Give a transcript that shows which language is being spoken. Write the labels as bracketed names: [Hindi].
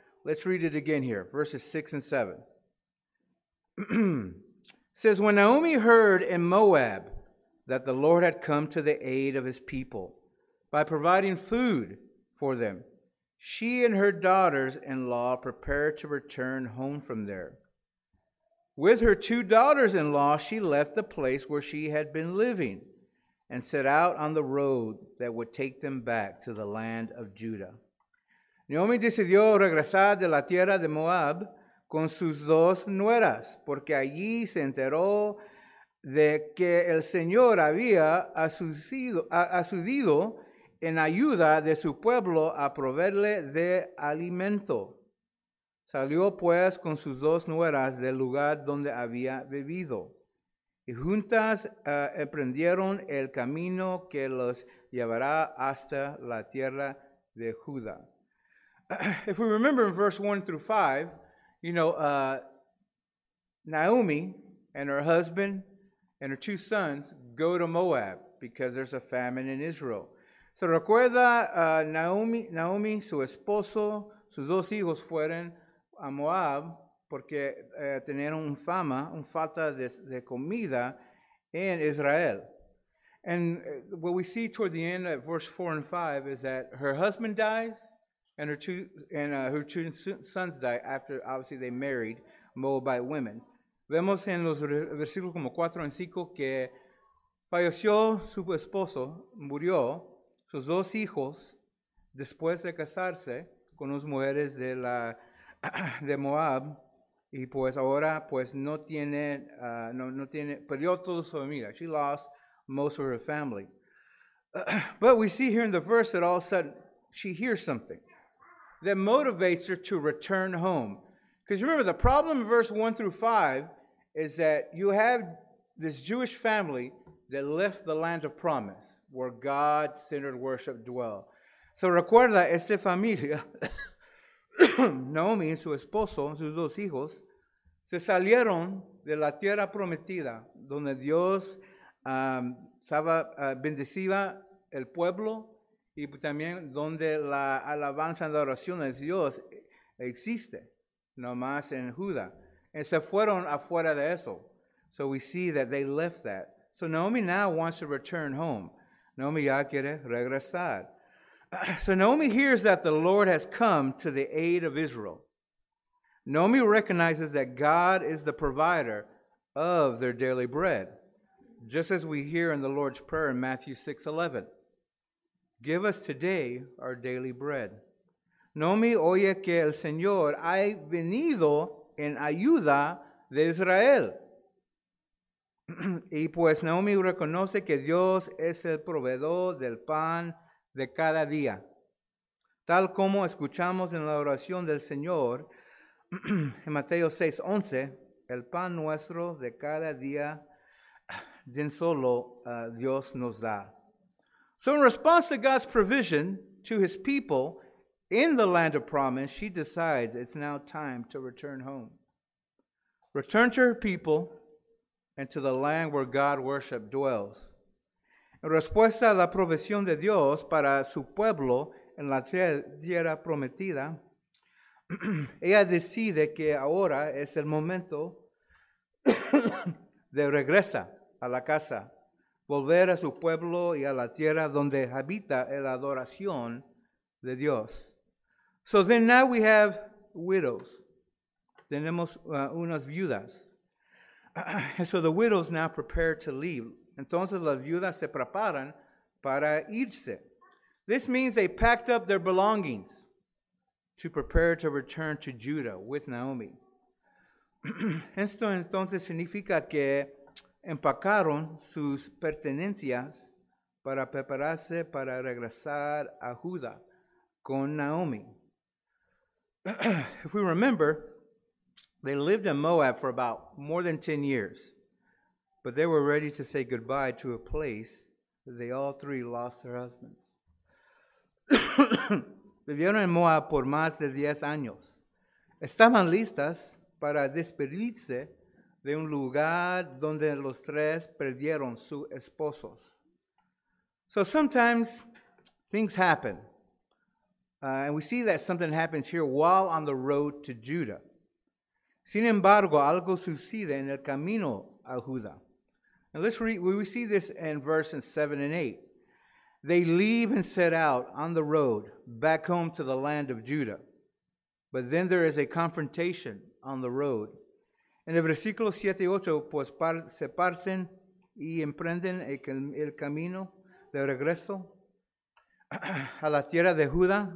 [English] Let's read it again here, verses 6 and 7. It says, when Naomi heard in Moab that the Lord had come to the aid of his people by providing food for them, she and her daughters-in-law prepared to return home from there. With her two daughters-in-law, she left the place where she had been living and set out on the road that would take them back to the land of Judah. [Spanish] Naomi decidió regresar de la tierra de Moab con sus dos nueras, porque allí se enteró de que el Señor había acudido en ayuda de su pueblo a proveerle de alimento. Salió pues con sus dos nueras del lugar donde había vivido, y juntas emprendieron el camino que los llevará hasta la tierra de Judá. [English] If we remember in verse 1 through 5, you know, Naomi and her husband and her two sons go to Moab because there's a famine in Israel. [Spanish] Se recuerda Naomi, su esposo, sus dos hijos fueron a Moab porque tenían falta de comida en Israel. [English] And what we see toward the end of verse 4 and 5 is that her husband dies, and her two sons die after, obviously, they married Moabite women. [Spanish] Vemos en los versículos como 4 y 5 que falleció su esposo, murió sus dos hijos después de casarse con las mujeres de Moab, y pues ahora pues no tiene perdió toda su familia. [English] She lost most of her family. But we see here in the verse that all of a sudden she hears something that motivates her to return home. Because remember, the problem in verse 1 through 5 is that you have this Jewish family that left the land of promise, where God-centered worship dwell. [Spanish] So recuerda, esta familia, Naomi y su esposo, sus dos hijos, se salieron de la tierra prometida, donde Dios bendecía el pueblo, y también donde la alabanza de oración de Dios existe, nomás en Judá. [English] And [Spanish] se fueron afuera de eso. [English] So we see that they left that. So Naomi now wants to return home. [Spanish] Naomi ya quiere regresar. [English] So Naomi hears that the Lord has come to the aid of Israel. Naomi recognizes that God is the provider of their daily bread, just as we hear in the Lord's Prayer in Matthew 6:11. Give us today our daily bread. [Spanish] Naomi oye que el Señor ha venido en ayuda de Israel. Y pues Naomi reconoce que Dios es el proveedor del pan de cada día. Tal como escuchamos en la oración del Señor en Mateo 6:11, el pan nuestro de cada día, den solo Dios nos da. [English] So in response to God's provision to his people in the land of promise, she decides it's now time to return home. Return to her people and to the land where God worship dwells. [Spanish] En respuesta a la provisión de Dios para su pueblo en la tierra prometida, ella decide que ahora es el momento de regresar a la casa, volver a su pueblo y a la tierra donde habita la adoración de Dios. [English] So then now we have widows. [Spanish] Tenemos unas viudas. [English] So the widows now prepare to leave. [Spanish] Entonces las viudas se preparan para irse. [English] This means they packed up their belongings to prepare to return to Judah with Naomi. [Spanish] Esto entonces significa que empacaron sus pertenencias para prepararse para regresar a Judá con Naomi. [English] If we remember, they lived in Moab for about more than 10 years, but they were ready to say goodbye to a place that they all three lost their husbands. [Spanish] Vivieron en Moab por más de 10 años. Estaban listas para despedirse de un lugar donde los tres perdieron sus esposos. [English] So sometimes things happen. And we see that something happens here while on the road to Judah. [Spanish] Sin embargo, algo sucede en el camino a Judá. [English] And let's read, we see this in verses 7 and 8. They leave and set out on the road back home to the land of Judah. But then there is a confrontation on the road. [Spanish] En el versículo 7 y 8, pues se parten y emprenden el camino de regreso a la tierra de Judá.